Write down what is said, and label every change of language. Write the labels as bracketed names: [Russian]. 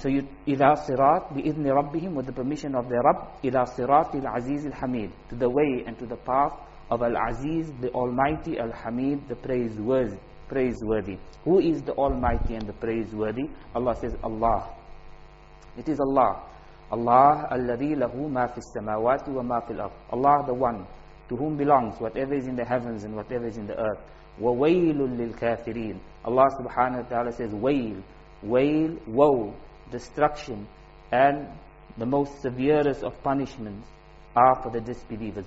[English] So you, [Arabic] إِلَى صِرَاط, بِإِذْنِ رَبِّهِمْ, [English] with the permission of their Rabb. [Arabic] إِلَى صِرَاطِ الْعَزِيزِ الْحَمِيدِ. [English] To the way and to the path of Al-Aziz, the Almighty, Al-Hamid, the praiseworthy. Who is the Almighty and the praiseworthy? Allah says, Allah. It is Allah. [Arabic] Allah, الَّذِي لَهُ مَا فِي السَّمَاوَاتِ وَمَا فِي الْأَرْضِ. [English] Allah, the one to whom belongs whatever is in the heavens and whatever is in the earth. [Arabic] وَوَيْلٌ لِلْكَافِرِينَ. [English] Allah subhanahu wa ta'ala says, wail. Wail, woe, destruction, and the most severest of punishments are for the disbelievers.